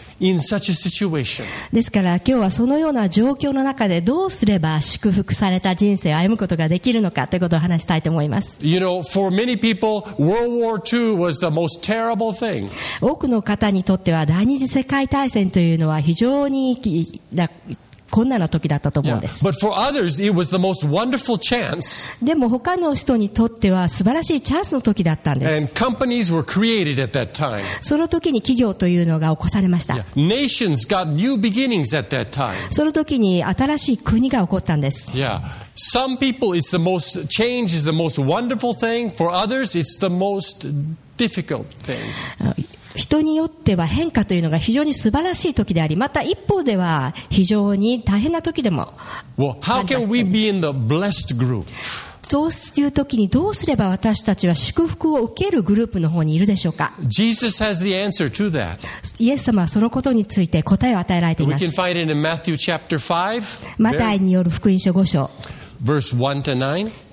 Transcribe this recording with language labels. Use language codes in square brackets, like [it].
[en] In such a situation. [ja] ですから今日はそのような状況の中でどうすれば祝福された人生を歩むことができるのかということを話したいと思います。 [en] You know, for many people, World War II was the most terrible thing. [ja] 多くの方にとっては第二次世界大戦というのは非常に困難な時だったと思うんです。 [en] Yeah. But for others, it was the most wonderful chance. [ja] でも他の人にとっては素晴らしいチャンスの時だったんです。 [en] And companies were created at that time. [ja] その時に企業というのが起こされました。 [en] Yeah. Nations got new beginnings at that time. [ja] その時に新しい国が起こったんです。 [en] Yeah. Some people, it's the most change is the most wonderful thing. For others, it's the most difficult thing. [ja] 人によっては変化というのが非常に素晴らしい時であり、また一方では非常に大変な時でも。 [en] Well, how can we be in the blessed group? [ja] そういう時にどうすれば私たちは祝福を受けるグループの方にいるでしょうか。 [en] Jesus has the answer to that. [ja] イエス様はそのことについて答えを与えられています。 [en] We can find it in Matthew chapter 5. [ja] マタイによる福音書5章。 [en] Verse 1 to 9.